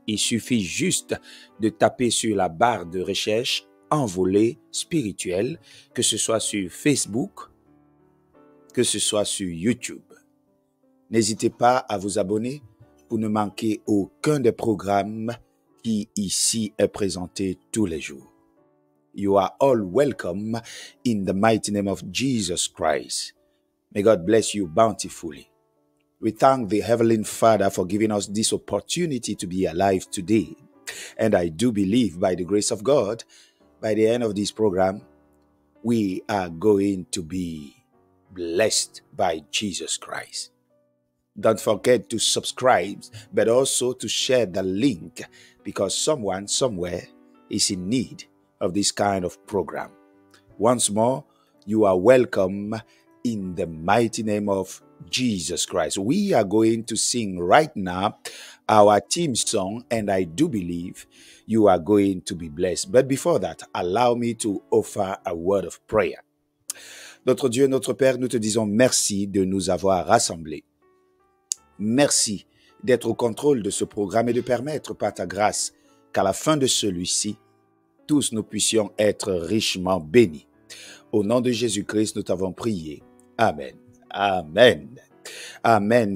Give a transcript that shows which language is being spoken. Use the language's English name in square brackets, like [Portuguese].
[French] Il suffit juste de taper sur la barre de recherche « Envolées spirituelles », que ce soit sur Facebook, que ce soit sur YouTube. N'hésitez pas à vous abonner pour ne manquer aucun des programmes qui ici est présenté tous les jours. [English] You are all welcome in the mighty name of Jesus Christ. May God bless you bountifully. We thank the Heavenly Father for giving us this opportunity to be alive today. And I do believe by the grace of God, by the end of this program, we are going to be blessed by Jesus Christ. Don't forget to subscribe, but also to share the link because someone somewhere is in need of this kind of program. Once more, you are welcome. In the mighty name of Jesus Christ, we are going to sing right now our team song, and I do believe you are going to be blessed. But before that, allow me to offer a word of prayer. [French] Notre Dieu, notre Père, nous te disons merci de nous avoir rassemblés. Merci d'être au contrôle de ce programme et de permettre par ta grâce qu'à la fin de celui-ci, tous nous puissions être richement bénis. Au nom de Jésus-Christ, nous t'avons prié. Amen. Amen. Amen.